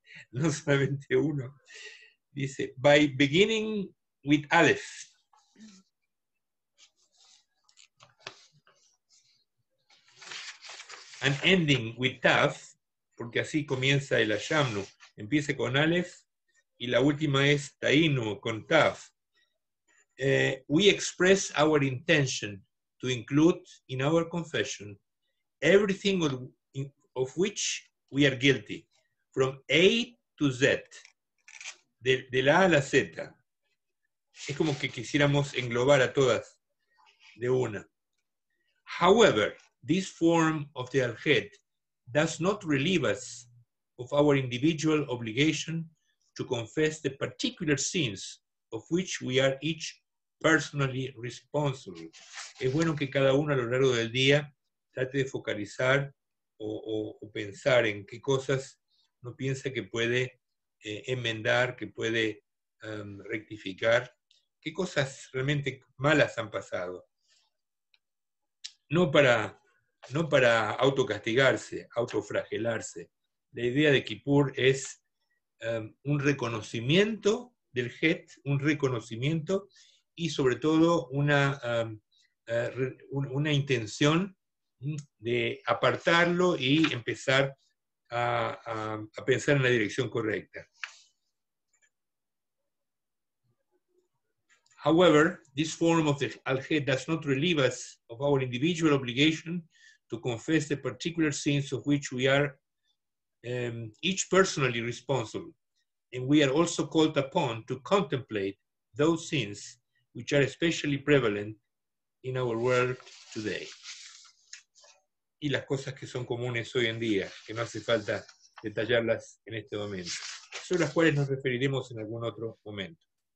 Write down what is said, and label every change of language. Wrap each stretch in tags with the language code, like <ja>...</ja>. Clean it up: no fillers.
<es>No solamente uno. Dice,</es> <en>by beginning with Aleph. And ending with Taf,</en> <es>porque así comienza el Ayamnu. Empieza con Aleph y la última es Tainu, con Taf.</es> <en>We express our intention to include in our confession everything of which we are guilty, from A to Z,</en> <es>de la A a la Z. Es como que quisiéramos englobar a todas de una.</es> <en>However, this form of the Al-Het does not relieve us of our individual obligation to confess the particular sins of which we are each personally responsible.</en> <es>Es bueno que cada uno a lo largo del día trate de focalizar o pensar en qué cosas no piensa que puede enmendar, que puede rectificar, qué cosas realmente malas han pasado. No para autocastigarse, autofragelarse. La idea de Kippur es un reconocimiento del Het, un reconocimiento y sobre todo una intención de apartarlo y empezar a pensar en la dirección correcta.</es> <en>However, this form of the Al-Het does not relieve us of our individual obligation to confess the particular sins of which we are each personally responsible. And we are also called upon to contemplate those sins which are especially prevalent in our world today.</en> <es>Y las cosas que son comunes hoy en día, que no hace falta detallarlas en este momento, sobre las cuales nos referiremos en algún otro momento.</es>